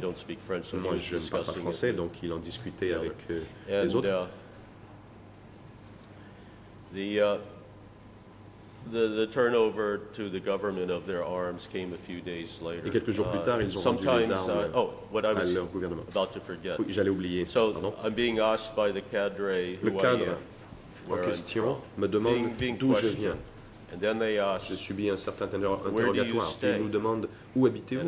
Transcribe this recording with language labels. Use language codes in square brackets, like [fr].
[fr] Moi, je ne parle pas français, donc il en discutait avec les autres. [en] The turnover to the government of their arms came a few days later. [fr] Et quelques jours plus tard, ils ont rendu les armes à leur gouvernement. [en] About to forget. [fr] Oui, j'allais oublier. [en] So I'm being asked by the cadre [fr] le cadre en question me demande d'où je viens. [en] And then they asked, [fr] j'ai subi un certain interrogatoire. Et ils nous demandent où habitez-vous.